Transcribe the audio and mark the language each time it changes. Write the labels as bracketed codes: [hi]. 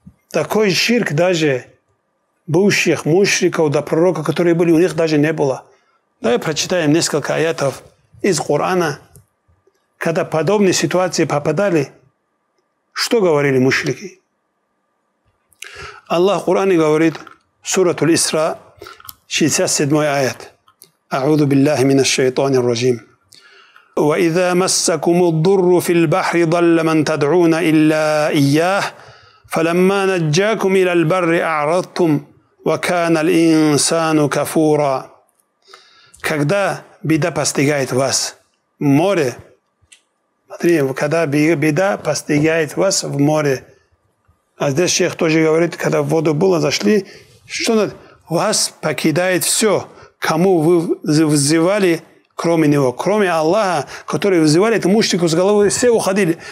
[ru] Такой ширк даже бывших мушриков до пророка, которые были, у них даже не было. Давай прочитаем несколько аятов из Корана. Когда подобные ситуации попадали, что говорили мушрики? Аллах в Коране говорит, сурату Исра, 67 аят. [ar] أعوذ بالله من الشيطان الرجيم وإذا مسكم الضر في البحر ضل من تدعون إلا إياه فلما نجاكم إلى البر أعرضتم وكان الإنسان كفورا. [ru] Когда беда постигает вас в море, смотри, когда беда постигает вас в море, а здесь шейх тоже говорит, когда в воду было зашли, что надо? Вас покидает все. Кому вы взывали, кроме него, кроме Аллаха, который взывали, это мушрику с головы, все уходили.